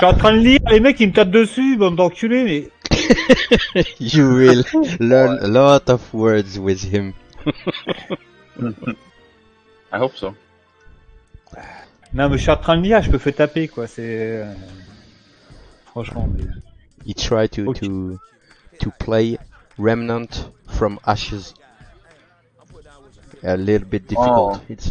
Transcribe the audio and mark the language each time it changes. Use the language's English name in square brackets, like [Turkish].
[French] Je suis en train de lire, les mecs ils me tapent dessus, bande d'enculés, mais. [English] You will learn a lot of words with him. I hope so. [French] Non, mais je suis en train de lire, je peux faire taper, quoi, c'est... Franchement, [English] mais... He tried to, okay. to play Remnant from Ashes. A little bit difficult. Oh. It's,